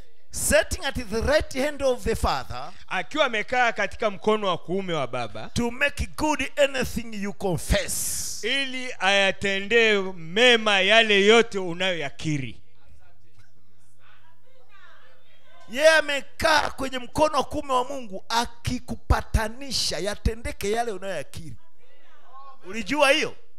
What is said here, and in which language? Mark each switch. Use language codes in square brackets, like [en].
[en] Sitting at the right hand of the Father, [sw] akiwa amekaa katika mkono wa kuume wa Baba, [en] to make good anything you confess, [sw] ili ayatendee mema yale yote unayoyakiri. Yeye amekaa kwenye mkono wa kuume wa Mungu akikupatanisha yatendeke yale unayoyakiri. Ulijua hiyo?